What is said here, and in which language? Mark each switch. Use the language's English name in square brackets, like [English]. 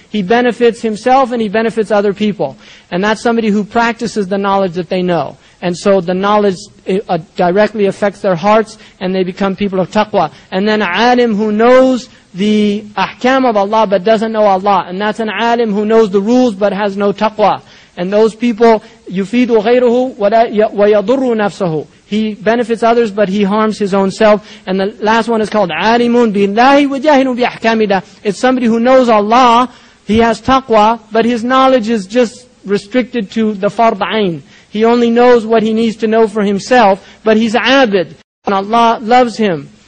[English] He benefits himself and he benefits other people. And that's somebody who practices the knowledge that they know. And so the knowledge directly affects their hearts and they become people of taqwa. And then alim who knows the ahkam of Allah but doesn't know Allah. And that's an alim who knows the rules but has no taqwa. And those people, [Arabic] يُفِيدُ غَيْرَهُ وَيَضُرُّ نَفْسَهُ. [English] He benefits others, but he harms his own self. And the last one is called [Arabic] عَالِمٌ بِاللَّهِ وَجَاهِلٌ بِأَحْكَامِهِ. [English] It's somebody who knows Allah, he has taqwa, but his knowledge is just restricted to the fard ayn. He only knows what he needs to know for himself, but he's abid, and Allah loves him.